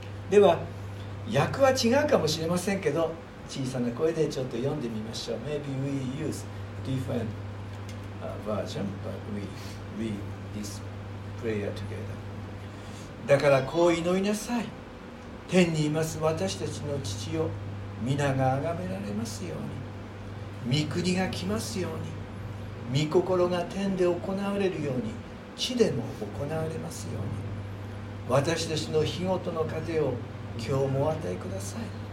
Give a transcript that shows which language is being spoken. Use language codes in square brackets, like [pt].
[ja] では訳は違うかもしれませんけど、小さな声でちょっと読んでみましょう。 [en] Maybe we use different version, but we read this prayer together. [ja] だからこう祈りなさい。天にいます私たちの父よ、皆が崇められますように、御国が来ますように、御心が天で行われるように地でも行われますように、私たちの日ごとの糧を今日も与えください。